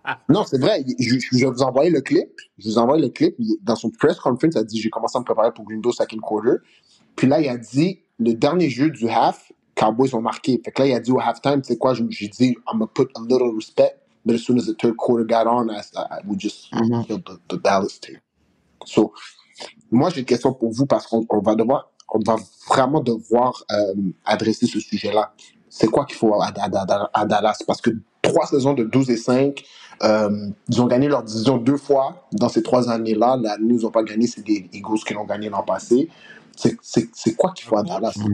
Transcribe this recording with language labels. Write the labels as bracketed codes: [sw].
[fr] Non, c'est vrai. Je vous envoyais le clip. Je vous envoie le clip. Dans son press conference, il a dit, j'ai commencé à me préparer pour Green Bay au second quarter. Puis là, il a dit, le dernier jeu du half, Cowboys ont marqué. Fait que là, il a dit au halftime, tu sais quoi, j'ai dit, [en] I'm gonna put a little respect. But as soon as the third quarter got on, we just killed the Dallas team. [fr] So, moi, j'ai une question pour vous parce qu'on va devoir, on va vraiment devoir adresser ce sujet-là. C'est quoi qu'il faut à Dallas? Parce que trois saisons de 12-5, ils ont gagné leur division deux fois dans ces trois années-là. Là, nous, ils n'ont pas gagné, c'est des Eagles qui l'ont gagné l'an passé. C'est quoi qu'il faut à Dallas?